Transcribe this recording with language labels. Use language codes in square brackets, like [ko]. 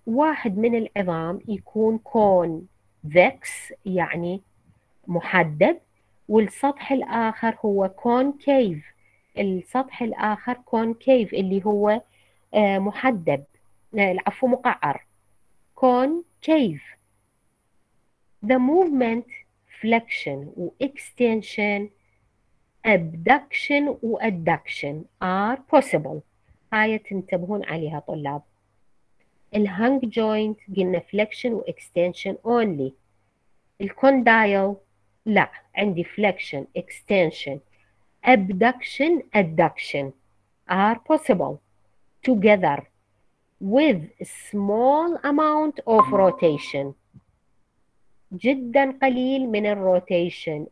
[ar] واحد من العظام يكون كون ذكس يعني محدد، والسطح الآخر هو كونكيف، السطح الآخر كونكيف اللي هو محدب، العفو مقعر، كونكيف. [en] The movement, flexion و extension, abduction و adduction are possible. [ar] هاي تنتبهون عليها طلاب. الهانج جوينت قلنا فليكشن واكستنشن اونلي، الكوندايل لا، عندي فليكشن اكستنشن ابدكشن ادكشن ار بوسيبل توجذر وذ سمول اماونت اوف روتيشن، جدا قليل من الروتيشن.